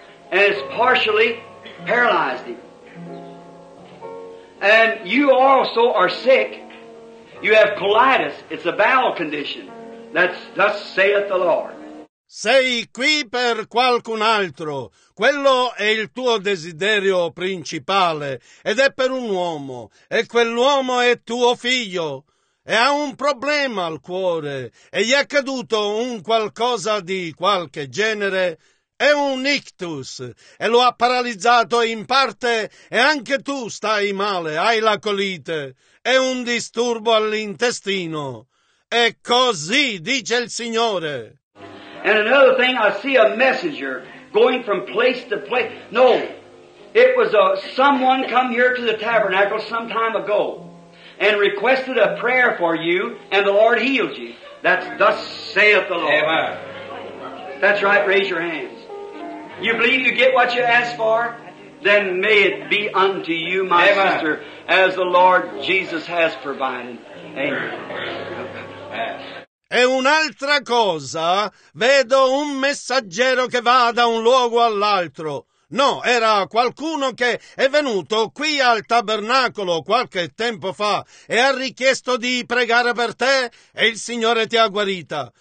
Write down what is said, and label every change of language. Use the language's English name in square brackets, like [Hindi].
[English] And it's partially paralyzed him. And you also are sick. You have colitis. It's a bowel condition. That's thus saith the Lord. [Italian] Sei qui per qualcun altro. Quello è il tuo desiderio principale. Ed è per un uomo. E quell'uomo è tuo figlio. E ha un problema al cuore. E gli è accaduto un qualcosa di qualche genere. È un ictus e lo ha paralizzato in parte e anche tu stai male, hai la colite. È un disturbo all'intestino. E così dice il Signore. [English] And another thing, I see a messenger going from place to place. No, it was someone come here to the tabernacle some time ago and requested a prayer for you and the Lord healed you. That's thus saith the Lord. Amen. That's right, raise your hands. You believe you get what you ask for? Then may it be unto you, my Amen. Sister, as the Lord Jesus has provided. Amen. [Italian] E un'altra cosa, vedo un messaggero che va da un luogo all'altro. No, era qualcuno che è venuto qui al tabernacolo qualche tempo fa e ha richiesto di pregare per te e il Signore ti ha guarita.